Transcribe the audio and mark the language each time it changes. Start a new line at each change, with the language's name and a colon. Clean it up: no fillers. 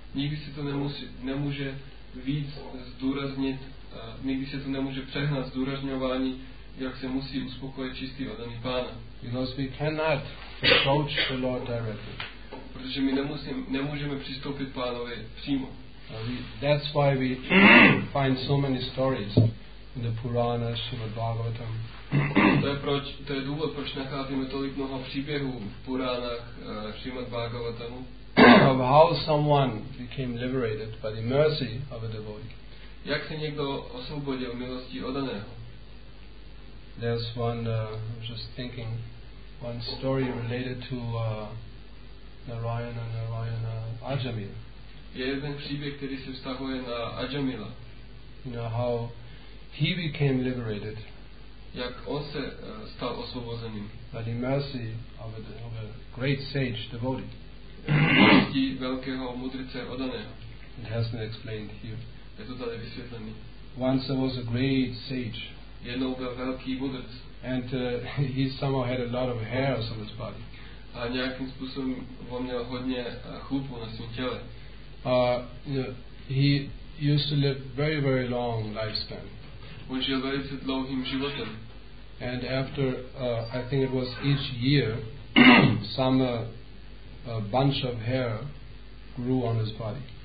Czech: Nikdy se to nemůže víc zdůraznit, nikdy se to nemůže přehnat zdůrazňování, jak se musí uspokojit čistý oddaný pána.
English: Because we cannot approach the Lord directly.
Czech: Protože my nemůžeme přistoupit pánovi přímo.
English: That's why we find so many stories in the Puranas, Srimad Bhagavatam.
Czech: To je důvod, proč nacházíme tolik mnoho příběhů v Puranách, Srimad Bhagavatamu.
English: Of how someone became liberated by the mercy of a devotee.
Czech: Jak se někdo osvobodil milosti oddaného.
English: There's one, I'm just thinking, one story related to Narayana Ajamil.
Czech: Je jeden příběh, který se vztahuje na Ajamila.
English: You know how he became liberated.
Czech: Jak on se stal osvobozeným.
English: By the mercy of a great sage devotee.
Czech: Milosti velkého mudrce oddaného.
English: It has been explained here.
Czech: Je to tady vysvětlený.
English: Once there was a great sage.
Czech: Jednou byl velký mudrc.
English: And he somehow had a lot of hairs on his body.
Czech: A nějakým způsobem on měl hodně chlupů na svém těle.
English: You know, he used to live very, very long lifespan.
Czech: On žil velice dlouhým životem.
English: And after, I think it was each year, some a bunch of hair grew on his body.